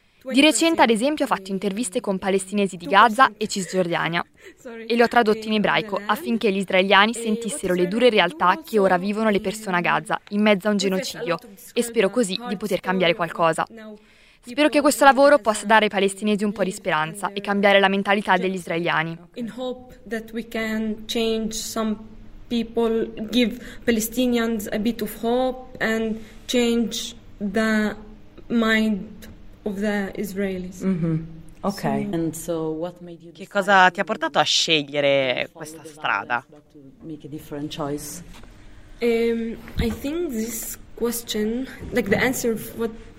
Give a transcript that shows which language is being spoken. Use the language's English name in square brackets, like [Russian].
[Italian] Di recente, ad esempio, ho fatto interviste con palestinesi di Gaza e Cisgiordania e le ho tradotte in ebraico, affinché gli israeliani sentissero le dure realtà che ora vivono le persone a Gaza, in mezzo a un genocidio, e spero così di poter cambiare qualcosa. Spero che questo lavoro possa dare ai palestinesi un po' di speranza e cambiare la mentalità degli israeliani. [English] In hope that we can change some people, give Palestinians a bit of hope and change the mind of the Israelis. Ok. And so what made you... [Italian] Che cosa ti ha portato a scegliere questa strada? [English] Make a different choice. I think this question, like the answer of what